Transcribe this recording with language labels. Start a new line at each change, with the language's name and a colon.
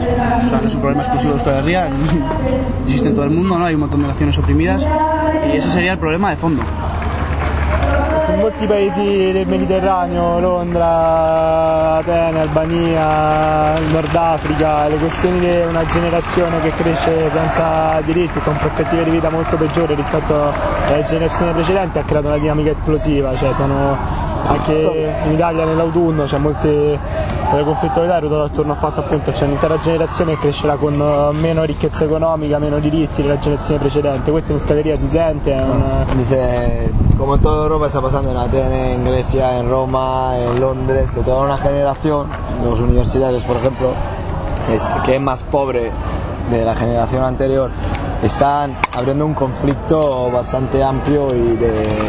Spanish: O sea, no es un problema exclusivo de Euskal Herria, existe en todo el mundo, ¿no? Hay un montón de naciones oprimidas y ese sería el problema de fondo.
Italian: In molti paesi del Mediterraneo, Londra, Atene, Albania, Nord Africa, le questioni di una generazione che cresce senza diritti, con prospettive di vita molto peggiori rispetto alle generazioni precedenti, ha creato una dinamica esplosiva. Cioè, sono anche in Italia nell'autunno, cioè, molte delle conflittualità ruotano attorno al fatto, appunto, c'è, cioè, un'intera generazione che crescerà con meno ricchezza economica, meno diritti della generazione precedente. Questa è una scaleria, si sente.
Spanish: Como en toda Europa está pasando en Atenas, en Grecia, en Roma, en Londres, que toda una generación, los universitarios por ejemplo, que es más pobre de la generación anterior, están abriendo un conflicto bastante amplio y de